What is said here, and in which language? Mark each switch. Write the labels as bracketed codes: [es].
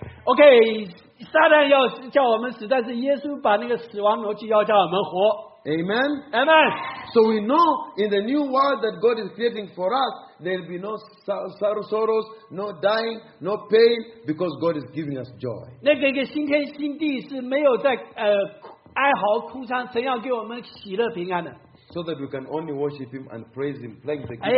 [zh] Okay, Satan 要叫我们死，但是耶稣把那个死亡逻辑要叫我们活。 [en] Amen. Amen. So we know in the new world that God is creating for us, there will be no sorrows, no dying, no pain, because God is giving us joy. [zh] 那个新天新地是没有在哀嚎哭丧，神要给我们喜乐平安的。 [en] So that we can only worship Him and praise Him, play the